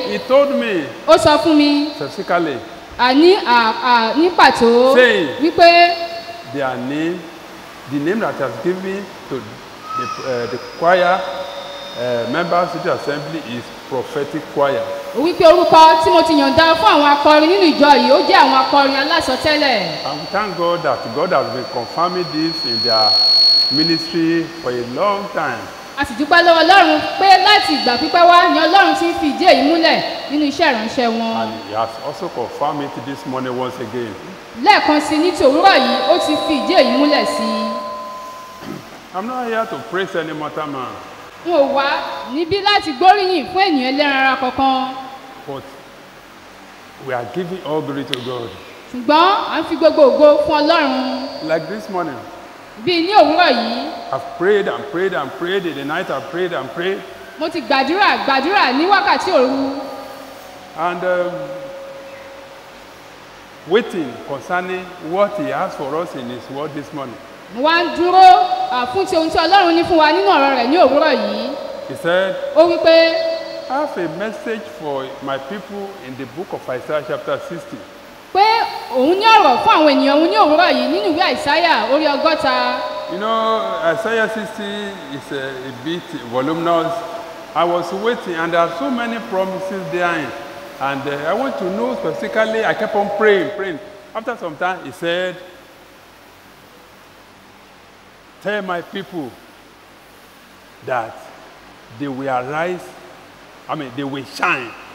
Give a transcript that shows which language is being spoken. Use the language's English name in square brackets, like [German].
[English] He told me. [Yoruba] Ó sọ fún mi. [English] Specifically. [Yoruba] Àní ní pàtó. [English] Say. [Yoruba] Wípé. [English] Their name, the name that has given to the choir members of the assembly is prophetic choir. [Yoruba] Wípé orúkọ tí mo ti yọ̀ǹda fún àwọn akọrin nínú ìjọ yìí, ó jẹ́ àwọn akọrin alásọtẹ́lẹ̀. [English] I thank God that God has been confirming this in their ministry for a long time. [Yoruba] A sì dúpẹ́ lọ́wọ́ Ọlọ́run pé láti ìgbà pípẹ́ wá ni Ọlọ́run ti ń fi ìdí èyí múlẹ̀ nínú iṣẹ́ ìránṣẹ́ wọn. [English] And he has also confirmed it this morning once again. [Yoruba] Lẹ́ẹ̀kan sí ní ti òwúrọ̀ yìí, ó ti fi ìdí èyí múlẹ̀ sí. [English] I'm not here to praise any mortal man. [Yoruba] N ò wá níbí láti gbóríyìn fún ènìyàn ẹlẹ́ran ara kankan. [English] But we are giving all glory to God. [Yoruba] Ṣùgbọ́n à ń fi gbogbo ògo fún Ọlọ́run. [English] Like this morning. [Yoruba] Bí ní òwúrọ̀ yìí. [English] I've prayed and prayed and prayed in the night. I've prayed and prayed. [Yoruba] Mo ti gbàdúrà ní wákàtí òru. [English] And waiting concerning what he has for us in his word this morning. [Yoruba] Mo wá ń dúró fún ti ohun tí Ọlọ́run ní fún wa nínú ọ̀rọ̀ rẹ̀ ní òwúrọ̀ yìí. [English] He said. [Yoruba] Ó wí pé. [English] I have a message for my people in the book of Isaiah chapter 60. [Yoruba] Pé òun ní ọ̀rọ̀ fún àwọn ènìyàn òun ní òwúrọ̀ yìí nínú ìwé Isaiah orí ọgọ́ta. [English] You know, Isaiah 60 is a bit voluminous. I was waiting and there are so many promises there. And I want to know specifically, I kept on praying. After some time, he said, tell my people that they will arise, they will shine.